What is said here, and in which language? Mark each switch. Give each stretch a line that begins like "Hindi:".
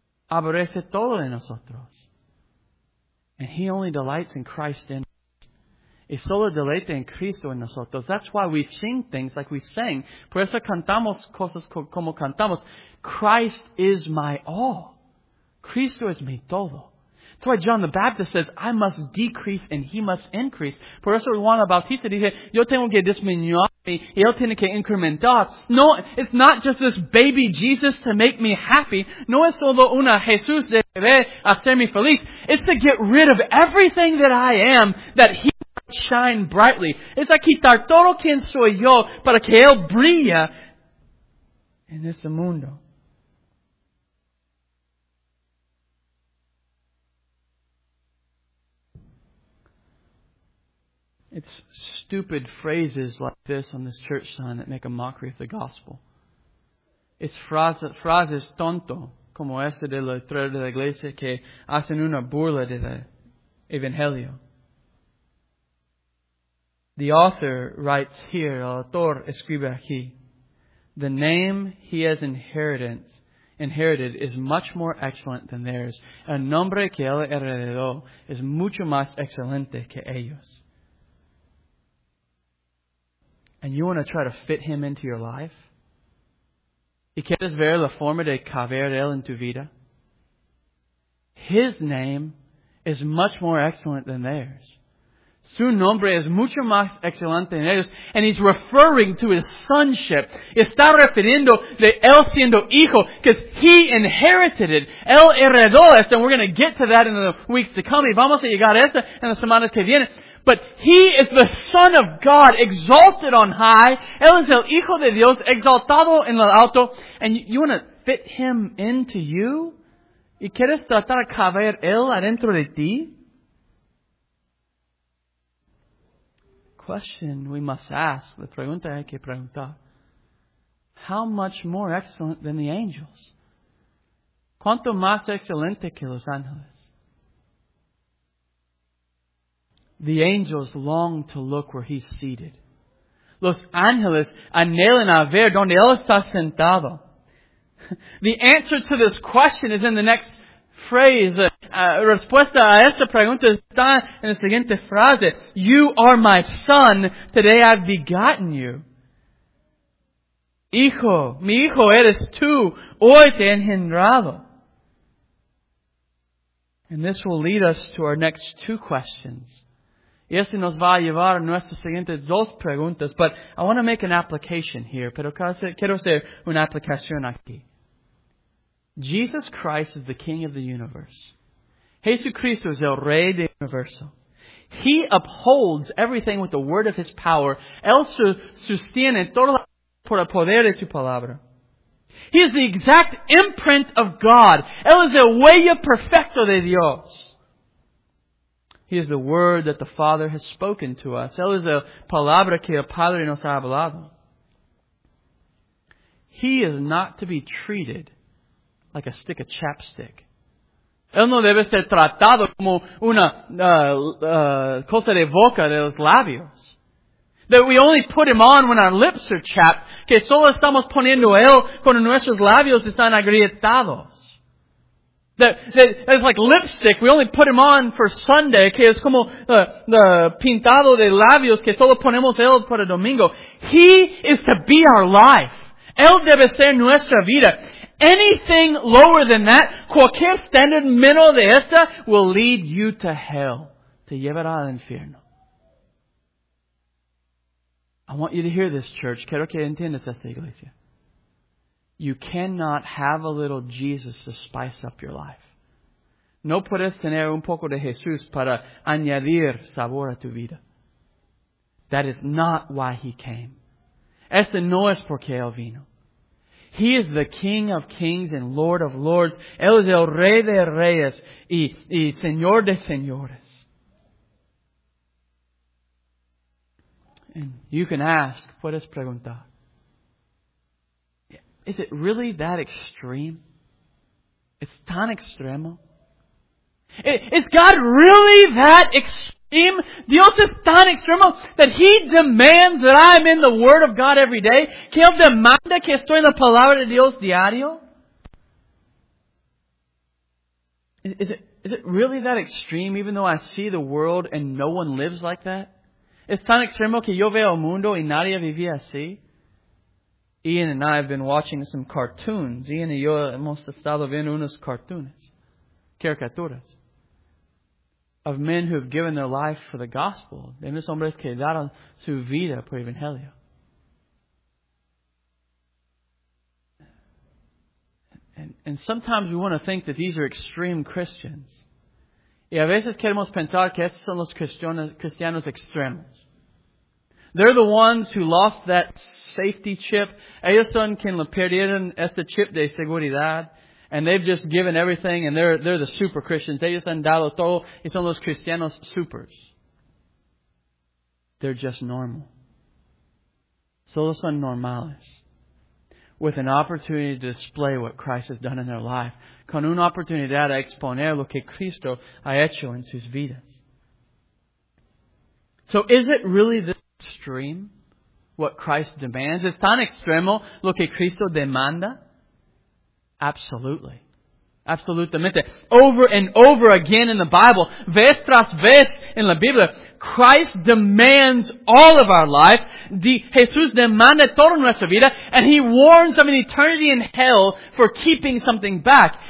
Spanish: Aborrece todo de nosotros.
English: And He only delights in Christ in us.
Spanish: Y solo deleita en Cristo en nosotros.
English: That's why we sing things like we sang.
Spanish: Por eso cantamos cosas como cantamos.
English: Christ is my all.
Spanish: Cristo es mi todo.
English: That's why John the Baptist says, I must decrease and He must increase.
Spanish: Por eso Juan Bautista dice, yo tengo que disminuir y Él tiene que incrementar.
English: No, it's not just this baby Jesus to make me happy.
Spanish: No es solo una Jesús de hacerme feliz.
English: It's to get rid of everything that I am that He might shine brightly.
Spanish: Es a quitar todo quien soy yo para que Él brille en este mundo.
English: It's stupid phrases like this on this church sign that make a mockery of the gospel. It's
Spanish: frases tonto, como este de la letrera de la iglesia, que hacen una burla de la evangelio.
English: The author writes here,
Spanish: el autor escribe aquí,
English: the name he has inherited is much more excellent than theirs.
Spanish: El nombre que él heredó es mucho más excelente que ellos.
English: And you want to try to fit Him into your life?
Spanish: ¿Y quieres ver la forma de caber Él en tu vida?
English: His name is much more excellent than theirs.
Spanish: Su nombre es mucho más excelente en ellos.
English: And he's referring to his sonship.
Spanish: Está refiriendo de él siendo hijo,
English: because he inherited it.
Spanish: Él heredó esto,
English: and we're going to get to that in the weeks to come.
Spanish: Y vamos a llegar a esto en las semanas que vienen.
English: But he is the Son of God, exalted on high.
Spanish: Él es el Hijo de Dios, exaltado en lo alto.
English: And you want to fit him into you?
Spanish: ¿Y quieres tratar a caber él adentro de ti?
English: Question we must ask,
Spanish: la pregunta hay que preguntar,
English: how much more excellent than the angels?
Spanish: ¿Cuánto más excelente que los ángeles?
English: The angels long to look where he's seated.
Spanish: Los ángeles anhelan a ver donde él está sentado.
English: The answer to this question is in the next phrase.
Spanish: Respuesta a esta pregunta está en la siguiente frase.
English: You are my son. Today I've begotten you.
Spanish: Hijo, mi hijo eres tú. Hoy te he engendrado.
English: And this will lead us to our next two questions.
Spanish: Y esto nos va a llevar a nuestras siguientes dos preguntas.
English: But I want to make an application here.
Spanish: Pero quiero hacer una aplicación aquí.
English: Jesus Christ is the King of the universe.
Spanish: Jesucristo es el Rey del Universo.
English: He upholds everything with the word of His power.
Spanish: Él sostiene todo por el poder de su palabra.
English: He is the exact imprint of God.
Spanish: Él es el huella perfecto de Dios.
English: He is the word that the Father has spoken to us.
Spanish: Él es la palabra que el Padre nos ha hablado.
English: He is not to be treated like a stick of chapstick.
Spanish: Él no debe ser tratado como una cosa de boca, de los labios.
English: That we only put him on when our lips are chapped.
Spanish: Que solo estamos poniendo él cuando nuestros labios están agrietados.
English: That it's like lipstick. We only put him on for Sunday.
Spanish: Que es como
English: the
Spanish: pintado de labios que solo ponemos él para domingo.
English: He is to be our life.
Spanish: Él debe ser nuestra vida.
English: Anything lower than that,
Spanish: cualquier standard menos de esta,
English: will lead you to hell.
Spanish: Te llevará al infierno.
English: I want you to hear this, church.
Spanish: Quiero que entiendas esta iglesia.
English: You cannot have a little Jesus to spice up your life.
Spanish: No puedes tener un poco de Jesús para añadir sabor a tu vida.
English: That is not why he came.
Spanish: Este no es porque él vino.
English: He is the King of kings and Lord of lords.
Spanish: Él es el Rey de reyes y Señor de señores.
English: And you can ask,
Spanish: puedes preguntar,
English: is it really that extreme? It's
Spanish: tan extremo.
English: Is God really that extreme?
Spanish: Dios es tan extremo
English: that He demands that I'm in the Word of God every day?
Spanish: Que Él demanda que estoy en la Palabra de Dios diario?
English: Is it really that extreme even though I see the world and no one lives like that?
Spanish: Es tan extremo que yo veo el mundo y nadie vive así?
English: Ian and I have been watching some cartoons.
Spanish: Ian y yo hemos estado viendo unos cartoons. Caricaturas.
English: Of men who have given their life for the gospel.
Spanish: De mis hombres que daron su vida por el evangelio.
English: And sometimes we want to think that these are extreme Christians.
Spanish: Y a veces queremos pensar que estos son los cristianos extremos.
English: They're the ones who lost that safety chip.
Spanish: Ellos son quien lo perdieron este chip de seguridad.
English: And they've just given everything and they're the super Christians.
Spanish: Ellos han dado todo y son los cristianos supers.
English: They're just normal.
Spanish: Solo son normales.
English: With an opportunity to display what Christ has done in their life.
Spanish: Con una oportunidad a exponer lo que Cristo ha hecho en sus vidas.
English: So is it really this extreme what Christ demands?
Spanish: Es tan extremo lo que Cristo demanda?
English: Absolutely.
Spanish: Absolutamente.
English: Over and over again in the Bible,
Spanish: vez tras vez in la Biblia,
English: Christ demands all of our life.
Spanish: Jesús demanda toda nuestra vida,
English: and He warns of an eternity in hell for keeping something back.